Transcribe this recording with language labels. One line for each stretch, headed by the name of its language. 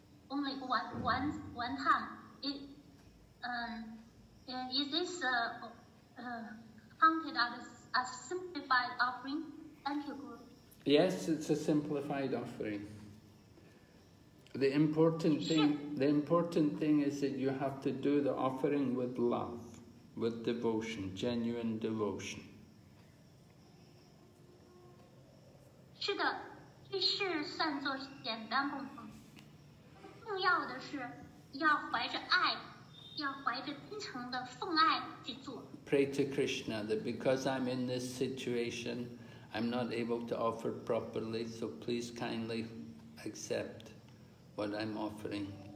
English: Only one time. Is this counted as a simplified offering? Thank you, Guru. Yes, it's a simplified offering. The important thing, the important thing is that you have to do the offering with love, with devotion, genuine devotion.
Chinese: 是的，这是算作简单部分。重要的是要怀着爱，要怀着真诚的奉爱去做。
English: Pray to Krishna that because I'm in this situation, I'm not able to offer properly, so please kindly accept what I'm offering.